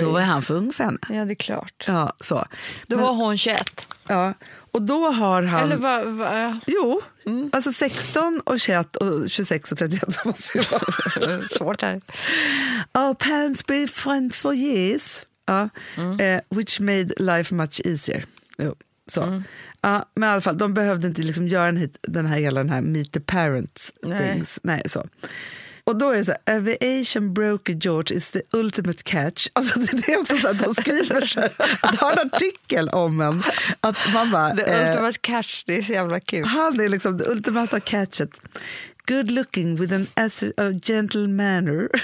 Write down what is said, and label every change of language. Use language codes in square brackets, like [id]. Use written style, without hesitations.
[sv] Då var han för ung för henne. Ja, det är klart. Ja, så. Då var hon 21. Ja, och då har han... Eller vad? Va? Jo, mm. Alltså 16 och 21 och 26 och 31 så måste ju vara... Svårt här. [en] Oh, parents be friends for years. Ja. Mm. Which made life much easier. [sv] Jo. Så. Mm. Ja, men i alla fall, de behövde inte liksom göra den här hela den här meet the parents things. Nej, så. [en] Och då är det så här, aviation broker George is the ultimate catch. [sv] Alltså det är också så att de skriver så här, att de har en artikel om en, att man bara, the ultimate catch, det är så jävla kul. Han är liksom the ultimate catchet. [en] Good looking with an a gentle manner.